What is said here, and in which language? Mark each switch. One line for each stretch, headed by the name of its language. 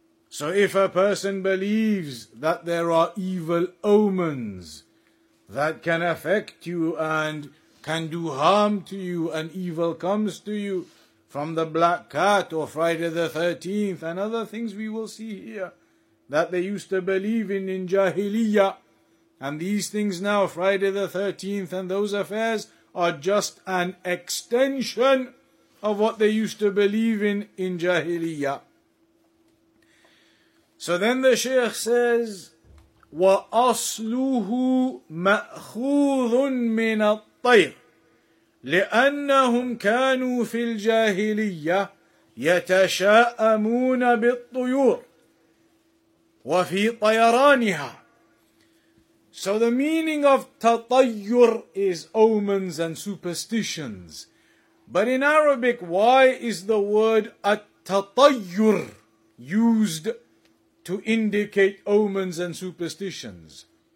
English: So if a person believes that there are evil omens that can affect you and can do harm to you, and evil comes to you from the black cat or Friday the 13th and other things we will see here that they used to believe in Jahiliyyah, and these things now, Friday the 13th and those affairs, are just an extension of what they used to believe in Jahiliyyah. So then the Shaykh says,
Arabic: وَأَصْلُهُ مَأْخُوذٌ مِنَ الطَّيْرِ لِأَنَّهُمْ كَانُوا فِي الْجَاهِلِيَّةِ يَتَشَاءَمُونَ بِالطُّيُورِ وَفِي طَيَرَانِهَا.
English: So the meaning of tatayyur is omens and superstitions. But in Arabic, why is the word at-tatayyur used to indicate omens and superstitions?